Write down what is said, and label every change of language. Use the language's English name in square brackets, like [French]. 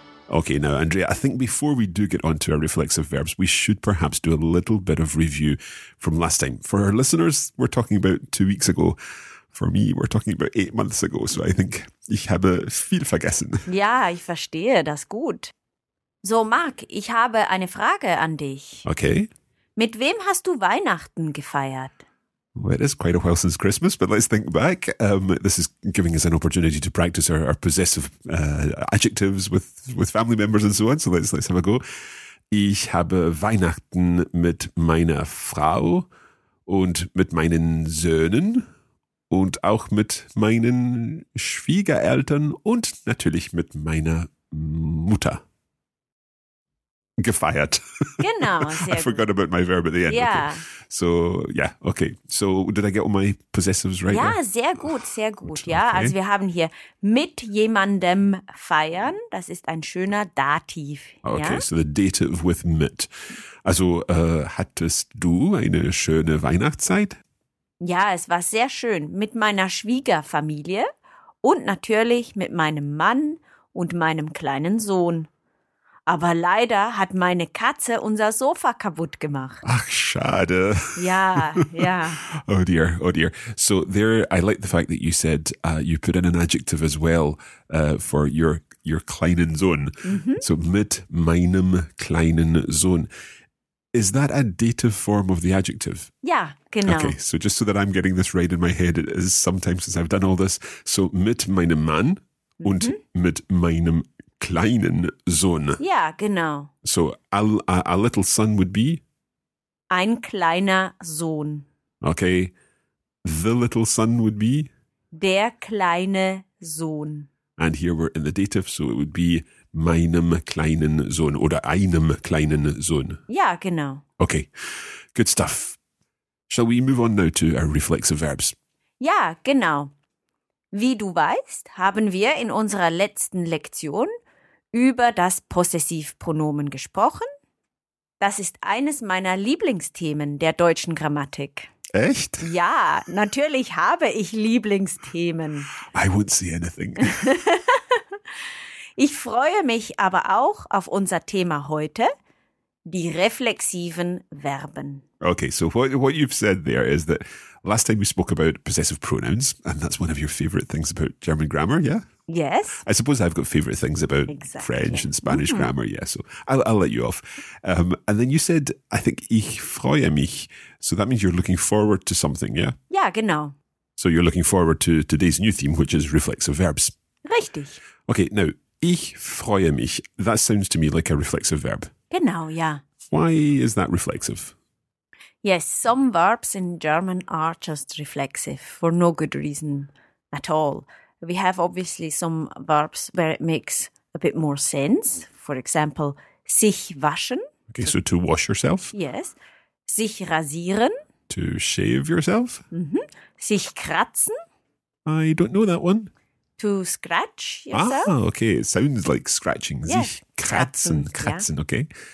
[English] Okay, now, Andrea, I think before we do get on to our reflexive verbs, we should perhaps do a little bit of review from last time. For our listeners, we're talking about 2 weeks ago. For me, we're talking about 8 months ago. So I think [German] ich habe viel vergessen. Ja, ich verstehe das gut. So, Marc, ich habe eine Frage an dich. [English] Okay. [German] Mit wem hast du Weihnachten gefeiert? [English] Well, it is quite a while since Christmas, but let's think back. This is giving us an opportunity to practice our possessive adjectives with family members and so on. So let's have a go. [German] Ich habe Weihnachten mit meiner Frau und mit meinen Söhnen und auch mit meinen Schwiegereltern und natürlich mit meiner Mutter. Gefeiert. Genau. [English] I forgot about my verb at the end. Yeah. Okay. So, did I get all my possessives right? [German] Ja, sehr gut. Ja, okay. Also wir haben hier mit jemandem feiern. Das ist ein schöner Dativ. [English] Okay, [German] ja? [English] So the dative with mit. [German] Also, hattest du eine schöne Weihnachtszeit? Ja, es war sehr schön. Mit meiner Schwiegerfamilie und natürlich mit meinem Mann und meinem kleinen Sohn. Aber leider hat meine Katze unser Sofa kaputt gemacht. Ach, schade. Ja. [English] Oh dear. So there, I like the fact that you said you put in an adjective as well for your [German] kleinen Sohn. [English] Mm-hmm. [German] So mit meinem kleinen Sohn. [English] Is that a dative form of the adjective? [German] Ja, genau. [English] Okay, so just so that I'm getting this right in my head, it is sometimes since I've done all this. [German] So mit meinem Mann und mit meinem kleinen Sohn. Ja, genau. [English] So, a little son would be? [German] Ein kleiner Sohn. [English] Okay. The little son would be? [German] Der kleine Sohn. [English] And here we're in the dative, so it would be [German] meinem kleinen Sohn oder einem kleinen Sohn. Ja, genau. [English] Okay. Good stuff. Shall we move on now to our reflexive verbs? [German] Ja, genau. Wie du weißt, haben wir in unserer letzten Lektion über das Possessivpronomen gesprochen. Das ist eines meiner Lieblingsthemen der deutschen Grammatik. Echt? Ja, natürlich habe ich Lieblingsthemen. [English] I wouldn't see anything. [German] Ich freue mich aber auch auf unser Thema heute, die reflexiven Verben. [English] Okay, so what you've said there is that last time we spoke about possessive pronouns, and that's one of your favorite things about German grammar, yeah? Yes. I suppose I've got favorite things about French and Spanish grammar, yeah, so I'll let you off. And then you said, I think, [German] ich freue mich. [English] So that means you're looking forward to something, yeah? [German] Ja, genau. [English] So you're looking forward to today's new theme, which is reflexive verbs. [German] Richtig. [English] Okay, now, [German] ich freue mich. [English] That sounds to me like a reflexive verb. [German] Genau, ja. [English] Why is that reflexive? Yes, some verbs in German are just reflexive for no good reason at all. We have obviously some verbs where it makes a bit more sense. For example, [German] sich waschen. [English] Okay, so to wash yourself. Yes. [German] Sich rasieren. [English] To shave yourself. [German] Mm-hmm. Sich kratzen. [English] I don't know that one. To scratch yourself. Ah, okay. It sounds like scratching. Yeah. [German] Sich kratzen. Kratzen, [English] yeah. Okay.